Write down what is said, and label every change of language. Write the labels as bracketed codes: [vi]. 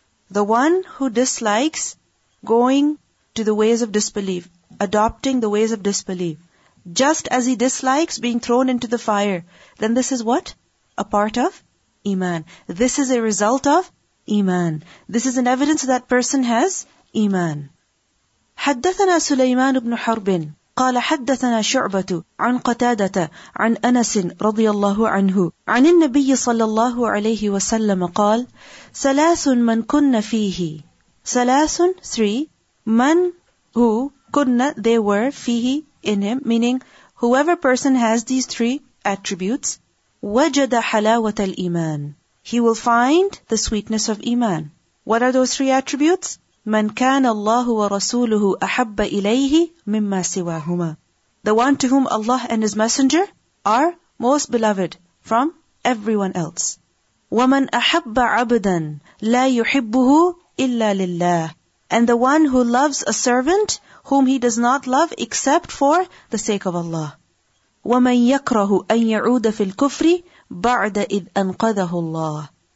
[en] The one who dislikes going to the ways of disbelief, adopting the ways of disbelief, just as he dislikes being thrown into the fire, then this is what? A part of Iman. This is a result of Iman. This is an evidence that person has Iman. [ar] حدثنا سليمان بن حرب قال حدثنا شعبة عن قتادة عن أنس رضي الله عنه عن النبي صلى الله عليه وسلم قال ثلاث من كن فيه ثلاث [en] three من who [ar] كن [en] they were [ar] فيه [en] in him meaning whoever person has these three attributes [ar] وجد حلاوة الإيمان [en] he will find the sweetness of إيمان what are those three attributes [ar] من كان الله ورسوله أحب إليه مما سواهما [en] The one to whom Allah and His Messenger are most beloved from everyone else. [ar] ومن أحب عبدا لا يحبه إلا لله [en] And the one who loves a servant whom he does not love except for the sake of Allah. [ar] ومن يكره أن يعود في الكفر بعد إذ أنقذه الله